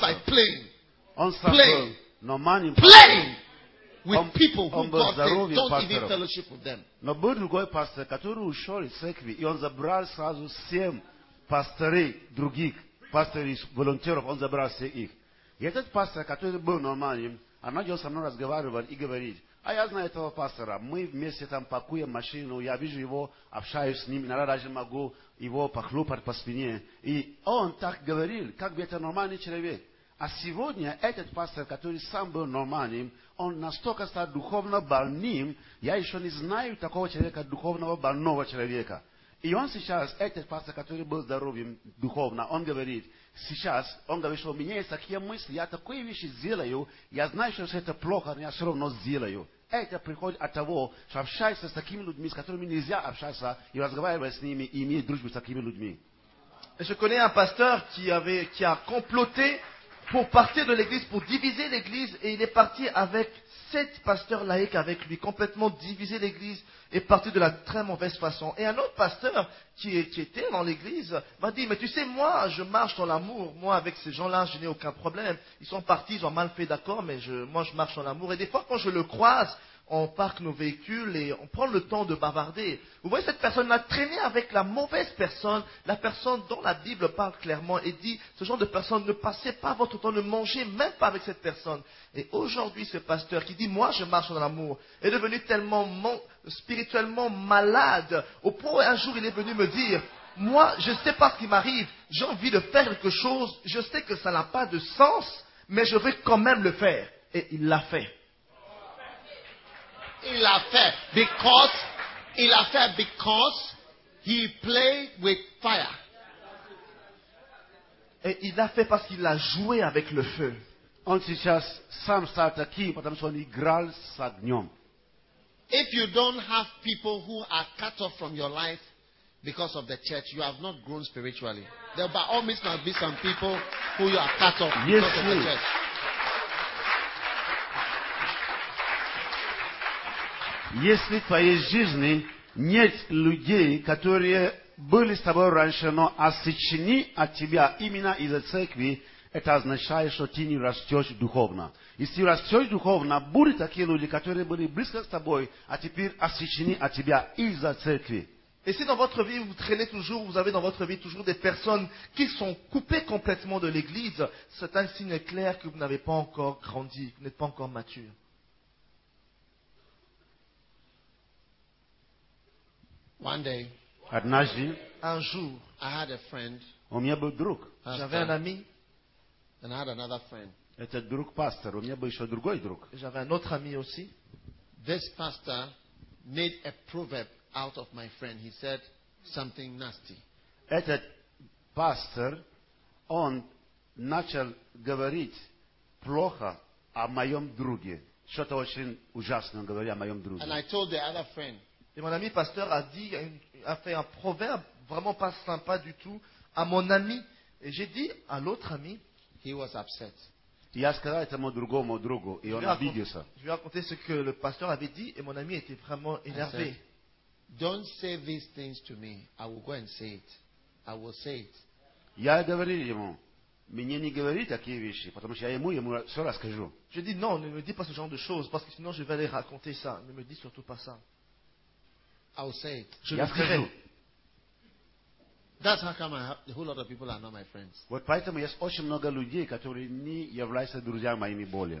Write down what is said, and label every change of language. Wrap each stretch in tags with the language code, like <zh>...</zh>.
<en>by playing. On playing. No man in playing with people whom God says, don't even fellowship with them. No, Brother Jim Pastor, Katuru Ushori Sekvi, Ion Zabral Sazu Siem, Pastore Drugik. Pastor is volunteer of Onzabra Seif.</en> <ru>Yet этот пастор, который был нормальным, она идет со мной разговаривать и говорит, а я знаю этого пастора, мы вместе там пакуем машину, я вижу его, общаюсь с ним, иногда даже могу его похлопать по спине. И он так говорил, как бы это нормальный человек. А сегодня этот пастор, который сам был нормальным, он настолько стал духовно больным, я еще не знаю такого человека, духовного больного человека. И он сейчас, этот пастор, который был здоровым духовно, он говорит, сейчас, он говорит, что у меня есть такие мысли, я такие вещи сделаю, я знаю, что это плохо, но я все равно сделаю. Это приходит от того, что общаешься с такими людьми, с которыми нельзя общаться, и разговаривать с ними, и иметь дружбу с такими людьми.</ru> <fr>Je connais un pasteur qui a comploté pour partir de l'église, pour diviser l'église, et il est parti avec 7 pasteurs laïcs avec lui, complètement divisé l'église et parti de la très mauvaise façon. Et un autre pasteur qui était dans l'église m'a dit, mais tu sais, moi, je marche dans l'amour. Moi, avec ces gens-là, je n'ai aucun problème. Ils sont partis, ils ont mal fait, d'accord, mais je marche dans l'amour. Et des fois, quand je le croise, on parque nos véhicules et on prend le temps de bavarder. Vous voyez, cette personne a traîné avec la mauvaise personne, la personne dont la Bible parle clairement et dit, ce genre de personne, ne passez pas votre temps, ne mangez même pas avec cette personne. Et aujourd'hui, ce pasteur qui dit, moi, je marche dans l'amour, est devenu tellement spirituellement malade, au point où un jour, il est venu me dire, moi, je ne sais pas ce qui m'arrive, j'ai envie de faire quelque chose, je sais que ça n'a pas de sens, mais je vais quand même le faire. Et il l'a fait. Il a fait</fr> <en>because</en> <fr>il a fait</fr> <en>because he played with fire.</en> <fr>Et il a fait parce qu'il a joué avec le feu.</fr> <ru>On сейчас сам стал таким, потому что он играл с огнем.</ru> <en>If you don't have people who are cut off from your life because of the church, you have not grown spiritually. There by all means must be some people who you are cut off because of the church.</en> <ru>Если в твоей жизни нет людей, которые были с тобой раньше, но отсечены от тебя именно из-за церкви, это означает, что ты не растешь духовно. Если растешь духовно, будут такие люди, которые были близко с тобой, а теперь отсечены от тебя из-за церкви.</ru> <fr>Et si dans votre vie vous traînez toujours, vous avez dans votre vie toujours des personnes qui sont coupées complètement de l'église, c'est un signe clair que vous n'avez pas encore grandi, vous n'êtes pas encore mature.</fr> <en>One day,</en> <fr>un jour,</fr> <en>I had a friend.</en> <ru>У меня был друг.</ru> <fr>J'avais un ami.</fr> <en>And I had another friend.</en> <ru>Этот друг пастор. У меня был еще другой друг.</ru> <fr>J'avais un autre ami aussi.</fr> <en>This pastor made a proverb out of my friend. He said something nasty.</en> <ru>Этот пастор, он начал говорить плохо о моем друге. Что-то очень ужасное он говорил о моем друге.</ru> <en>And I told the other friend.</en> <fr>Et mon ami pasteur a fait un proverbe vraiment pas sympa du tout à mon ami. Et j'ai dit à l'autre ami.</fr> <en>He was upset.</en> <ru>Я сказал этому другому другу, и он обиделся.</ru> <fr>Je lui ai raconté ce que le pasteur avait dit, et mon ami était vraiment énervé.</fr> <en>Don't say these things to me. I will go and say it. I will say it.</en> <ru>Я говорил ему, мне не говори такие вещи, потому что я ему все расскажу.</ru> <fr>Je dis non, ne me dis pas ce genre de choses, parce que sinon je vais aller raconter ça. Ne me dis surtout pas ça.</fr> <en>I will say it.</en> <fr>Je le dirai.</fr> <en>That's how come I have, a whole lot of people are not my friends.</en> <ru>Вот поэтому есть очень много людей, которые не являются друзьями моими более.</ru>